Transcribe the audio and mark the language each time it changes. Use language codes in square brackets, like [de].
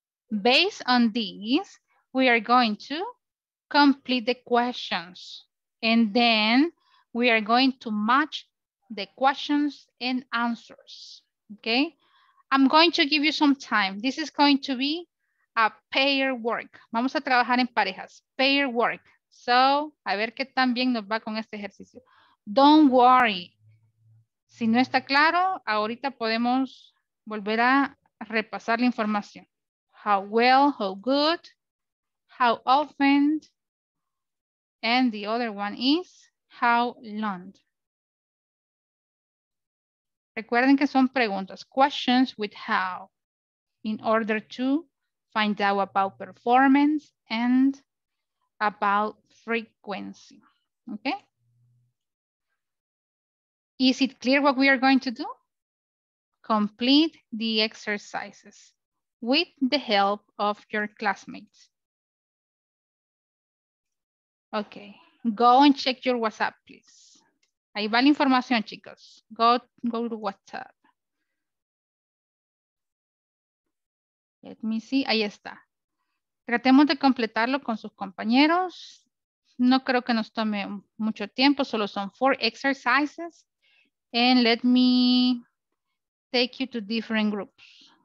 [en] Based on these, we are going to complete the questions. And then we are going to match the questions and answers, okay? I'm going to give you some time. This is going to be a pair work. [es] Vamos a trabajar en parejas, pair work. So, a ver qué tan bien nos va con este ejercicio. [en] Don't worry. [es] Si no está claro, ahorita podemos volver a repasar la información. [en] How well, how good, how often, and the other one is how long. [es] Recuerden que son preguntas, [en] questions with how, in order to find out about performance and about frequency, okay? Is it clear what we are going to do? Complete the exercises with the help of your classmates. Okay, go and check your WhatsApp, please. [es] Ahí va la información, chicos. [en] Go to WhatsApp. Let me see, [es] ahí está. Tratemos de completarlo con sus compañeros. No creo que nos tome mucho tiempo, solo son 4 exercises. [en] And let me take you to different groups.